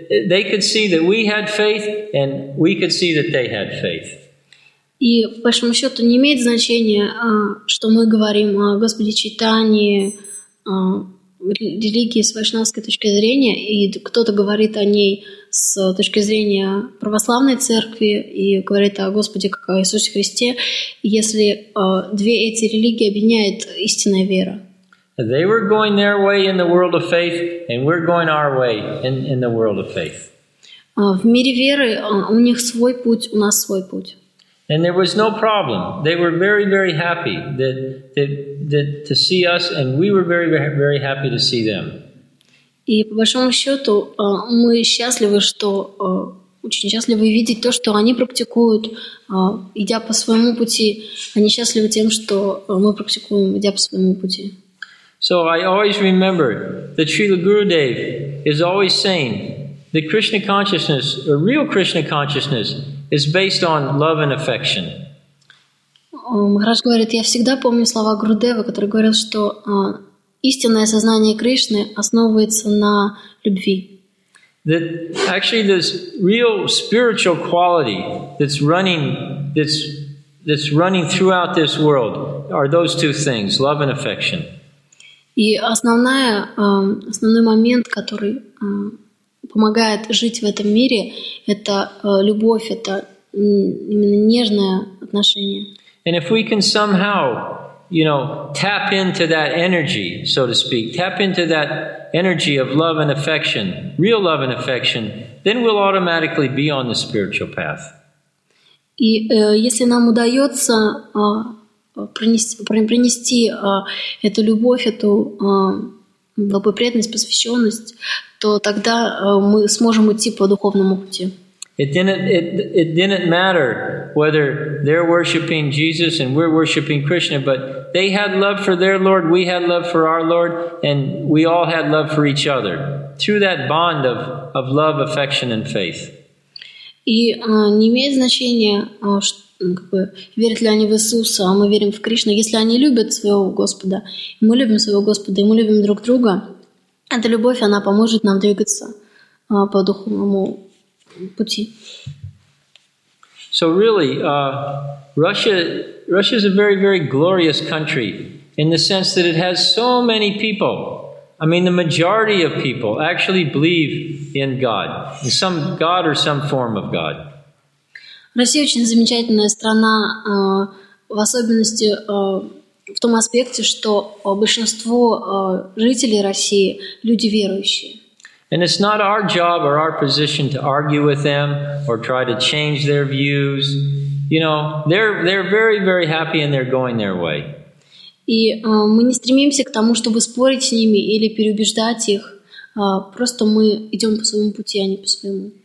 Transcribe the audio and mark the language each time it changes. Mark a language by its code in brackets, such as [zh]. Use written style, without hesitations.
[en] They could see that we had faith, and we could see that they had faith. [ru] И по большому счету не имеет значения, что мы говорим о Господе Чайтанье, религии с вайшнавской точки зрения, и кто-то говорит о ней с точки зрения православной церкви и говорит о Господе как о Иисусе Христе, если две эти религии объединяет истинная вера. [en] They were going their way in the world of faith, and we're going our way in the world of faith. [ru] В мире веры у них свой путь, у нас свой путь. [en] And there was no problem. They were very, very happy that to see us, and we were very, very, very happy to see them. [ru] И по большому счету мы счастливы, что очень счастливы видеть то, что они практикуют, идя по своему пути. Они счастливы тем, что мы практикуем, идя по своему пути. [en] So I always remember that Srila Gurudev is always saying that Krishna consciousness, or real Krishna consciousness, is based on love and affection. [ru] Махарадж говорит, я всегда помню слова Гурудева, который говорил, что истинное сознание Кришны основывается на любви. [en] That actually this real spiritual quality that's running throughout this world are those two things, love and affection. [ru] И основной момент, который помогает жить в этом мире, это любовь, это именно нежное отношение. [en] And if we can somehow, you know, tap into that energy, so to speak, tap into that energy of love and affection, real love and affection, then we'll automatically be on the spiritual path. [ru] И если нам удается принести эту любовь, эту благоприятность, посвященность, то тогда мы сможем идти по духовному пути. [en] It didn't matter whether they're worshiping Jesus and we're worshiping Krishna, but they had love for their Lord, we had love for our Lord, and we all had love for each other through that bond of love, affection, and faith. [ru] И не имеет значения, верят ли они в Иисуса, а мы верим в Кришну. Если они любят своего Господа, мы любим своего Господа, и мы любим друг друга, эта любовь, она поможет нам двигаться по духовному пути. [en] So really, Russia is a very, very glorious country in the sense that it has so many people. I mean, the majority of people actually believe in God, in some God or some form of God. [ru] Россия очень замечательная страна, в особенности в том аспекте, что большинство жителей России – люди верующие. [en] And it's not our job or our position to argue with them or try to change their views. You know, they're very, very happy and they're going their way. [ru] И мы не стремимся к тому, чтобы спорить с ними или переубеждать их. Просто мы идем по своему пути, а не по своему.